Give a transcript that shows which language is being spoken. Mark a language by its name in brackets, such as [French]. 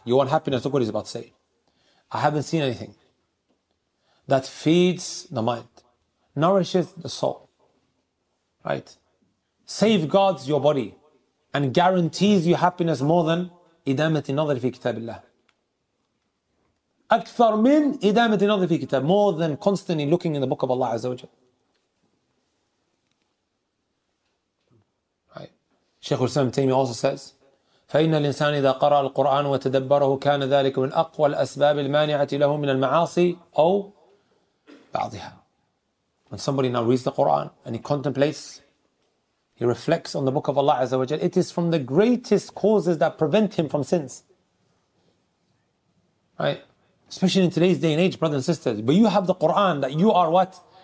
[English] You want happiness, look what he's about to say. I haven't seen anything that feeds the mind, nourishes the soul, right? Safeguards your body and guarantees you happiness more than [Arabic] إِدَامَةِ النَّظَرِ فِي كِتَابِ اللَّهِ. أكثر من إدامة النظر في كتاب. [English] More than constantly looking in the book of Allah Azza wa Jal. Right. Shaykh Hussain Taymi also says, [Arabic] فإن الإنسان إذا قرأ القرآن وتدبره كان ذلك من أقوى الأسباب المانعة له من المعاصي أو بعضها. [English] When somebody now reads the Quran and he contemplates, he reflects on the book of Allah Azza wa Jal, it is from the greatest causes that prevent him from sins. Right? Especially in today's day and age, brothers and sisters. But you have the Quran that you are what?